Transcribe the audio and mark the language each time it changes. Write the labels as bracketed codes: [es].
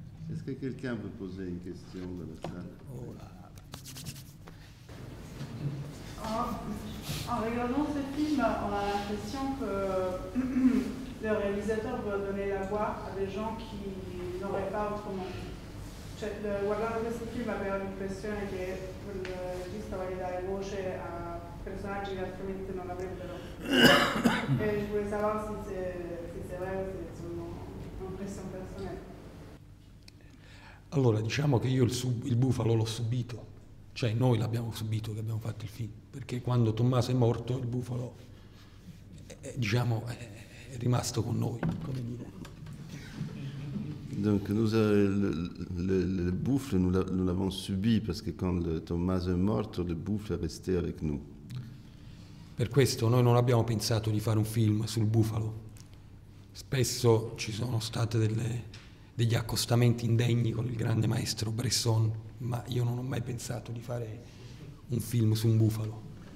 [fr] Est-ce que quelqu'un peut poser une question dans la salle? En regardant ce film, on a l'impression que le réalisateur veut donner la voix à des gens qui n'auraient pas autrement. [it] Cioè, guardando questo film avevo l'impressione che il regista voglia dare voce a personaggi che altrimenti non avrebbero. E pure Savassi, se non questo è un personaggio. Allora, diciamo che io il bufalo l'ho subito, cioè noi l'abbiamo subito che abbiamo fatto il film, perché quando Tommaso è morto il bufalo è rimasto con noi, come dire. [fr] Donc nous le bouffle nous l'avons subi parce que quand Tommaso [it] è morto [fr] le bufalo è resté avec nous. [it] Per questo noi non abbiamo pensato di fare un film sul bufalo. Spesso ci sono state degli accostamenti indegni con il grande maestro Bresson, ma io non ho mai pensato di fare un film su un bufalo.